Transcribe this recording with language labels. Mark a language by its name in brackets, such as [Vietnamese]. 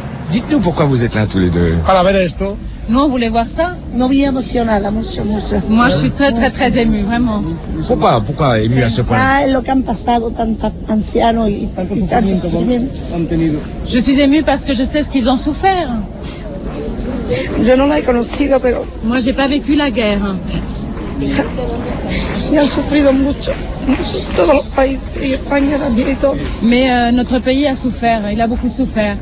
[French] Dites-nous pourquoi vous êtes là tous les deux. Alors, Benesto. Nous, on voulait voir ça. Nous, on est émotionnés, émotionnés. Moi, je suis très, très, très émue, vraiment. Pourquoi? Pourquoi émue à ce point? [Spanish] Ah, lo que han pasado tanto anciano y tanto sufrimiento. [French] Je suis émue parce que je sais ce qu'ils ont souffert. [Spanish] Je no la he conocido, pero... [French] Moi, j'ai pas vécu la guerre. Ils ont souffert beaucoup. Mais notre pays a souffert, il a beaucoup souffert.